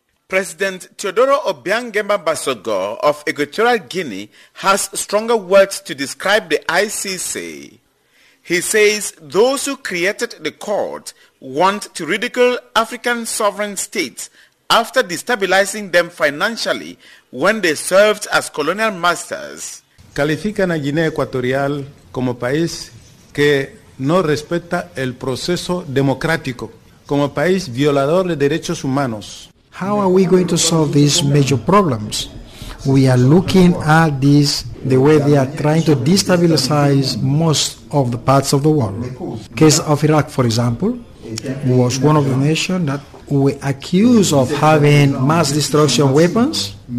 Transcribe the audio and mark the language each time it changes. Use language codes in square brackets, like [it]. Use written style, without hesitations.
[en] President Teodoro Obiang-Gemba Bassogo of Equatorial Guinea has stronger words to describe the ICC. He says those who created the court want to ridicule African sovereign states after destabilizing them financially when they served as colonial masters. [es] Califican a Guinea Ecuatorial como país que no respeta el proceso democrático, como país violador de derechos humanos. [en] How are we going to solve these major problems? We are looking at this the way they are trying to destabilize most of the parts of the world. Case of Iraq, for example, was one of the nations that were accused of having mass destruction weapons.